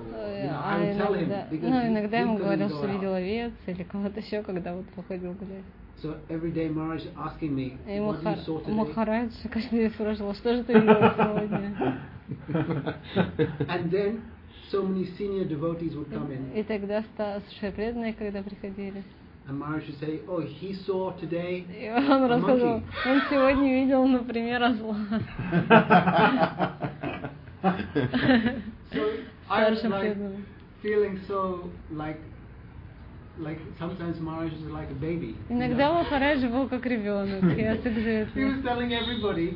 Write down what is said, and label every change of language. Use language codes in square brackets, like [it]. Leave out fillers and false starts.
[ru] Иногда ему говорил, что видел овец или кого-то еще, когда вот походил гулять. [en] So every day Maharaj asking me, what you saw today? [ru] И Махарадж каждый день спрашивал, что же ты видел сегодня? [en] And then so many senior devotees would come in. [ru] И тогда старшие преданные, когда приходили. [en] And Maharaj would say, oh, he saw today a monkey. [ru] Он сегодня видел, например, осла. [en] So I was like feeling so like sometimes Maharaj is like a baby. [ru] Иногда Махарадж был как ребенок. [en] He was telling everybody.